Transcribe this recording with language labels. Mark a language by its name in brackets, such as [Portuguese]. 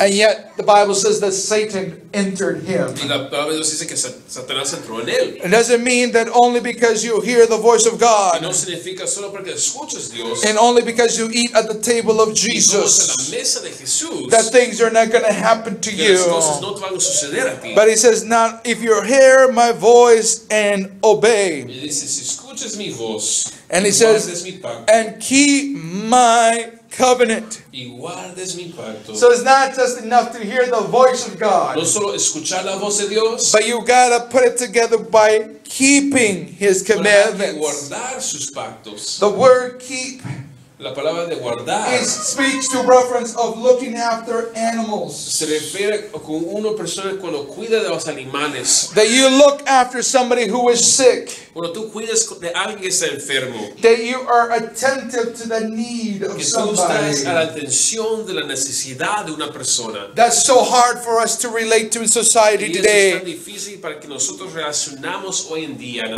[English] And yet, the Bible says that Satan entered him. [Spanish] Y la Biblia dice que Satanás entró en él. [English] It doesn't mean that only because you hear the voice of God. [Spanish] Y no significa solo porque escuchas Dios. [English] And only because you eat at the table of Jesus. [Spanish] Y comes a la mesa de Jesús. [English] That things are not going to happen to you. [Spanish] Las cosas no te van a suceder a ti. [English] But he says, now, if you hear my voice and obey. [Spanish] Y dice, si escuchas mi voz. [English] And he says, and keep my covenant. [Spanish] Y guardes mi pacto. [English] So it's not just enough to hear the voice of God. [Spanish] No solo escuchar la voz de Dios. [English] But you gotta put it together by keeping his commandments. [Spanish] Para guardar sus pactos. [English] The word keep. [Spanish] La palabra de guardar. [English] It speaks to reference of looking after animals. [Spanish] Se refiere con una persona cuando cuida de los animales. [English] That you look after somebody who is sick. [Spanish] Cuando tú cuidas de alguien que está enfermo. [English] That you are attentive to the need of somebody. [Spanish] Que tú estás a la atención de la necesidad de una persona. [English] That's so hard for us to relate to in society today. [Spanish] Y eso es tan difícil para que nosotros relacionamos hoy en día.